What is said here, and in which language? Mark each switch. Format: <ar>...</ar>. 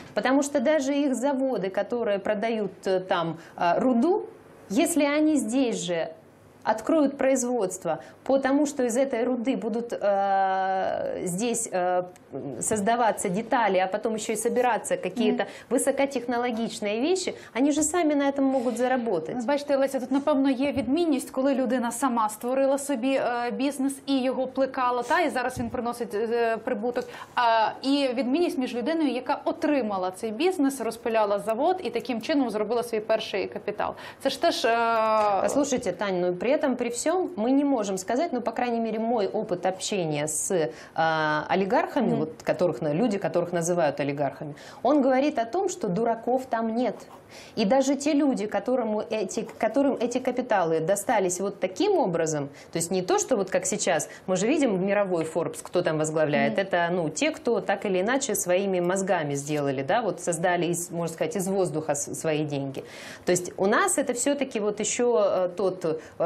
<ru>Потому что даже их заводы, которые продают там руду, если они здесь же откроют производство, потому что из этой руды будут здесь создаваться детали, а потом еще и собираться какие-то высокотехнологичные вещи, они же сами на этом могут заработать.</ru> <uk>Бачите, Леся, тут, напевно, є відмінність, коли людина сама створила собі бізнес і його плекала, та, і зараз він приносить прибуток, і відмінність між людиною, яка отримала цей бізнес, розпиляла завод і таким чином зробила свій перший капітал. Це ж теж...</uk> <ru>Послушайте, Тань, ну, при этом, при всем, мы не можем сказать, ну, по крайней мере, мой опыт общения с олигархами, вот, люди, которых называют олигархами, он говорит о том, что дураков там нет. И даже те люди, которым эти капиталы достались вот таким образом, то есть не то, что вот как сейчас, мы же видим мировой Forbes, кто там возглавляет, это, ну, те, кто так или иначе своими мозгами сделали, да, вот создали, можно сказать, из воздуха свои деньги. То есть у нас это все-таки вот еще тот</ru>